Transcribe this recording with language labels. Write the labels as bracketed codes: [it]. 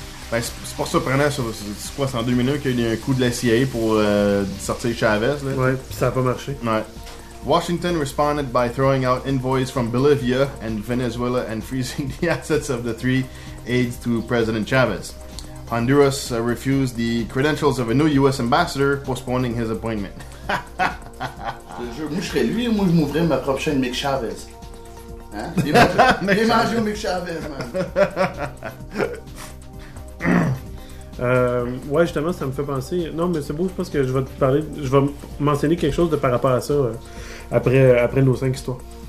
[fr] Ben, c'est pas surprenant, c'est quoi, c'est en deux minutes qu'il y a un coup de la CIA pour sortir Chavez. Là. Ouais, pis ça a pas marché. Ouais. [en] Washington responded by throwing out envoys from Bolivia and Venezuela and freezing the assets of the three aides to President Chavez. Honduras refused the credentials of a new U.S. ambassador, postponing his appointment. [fr] Moi, je serais lui, moi, je m'ouvrais ma propre chaîne Mick Chavez. Hein? J'ai mangé au Mick Chavez, man. ouais, justement, ça me fait penser. Non, mais c'est beau, je pense que je vais te parler. Je vais mentionner quelque chose de par rapport à ça après nos cinq histoires.